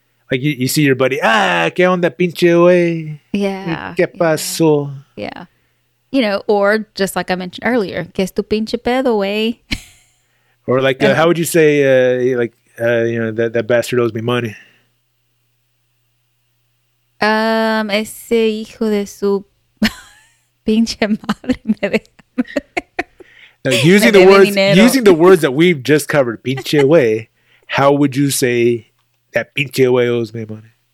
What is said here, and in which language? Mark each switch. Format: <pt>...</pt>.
<en>Like you see your buddy, ah,</en> <es>que onda pinche way.</es> <en>Yeah.</en> <es>Que pasó.</es> <en>Yeah. You know, or just like I mentioned earlier,</en> <es>que es tu pinche pedo way.</es> <en>Or like, how would you say, you know, that bastard owes me money?</en> <es>Ese hijo de su pinche madre me de.</es> <en>Now, using the words that we've just covered, pinche way, how would you say that pinche way owes me money?</en>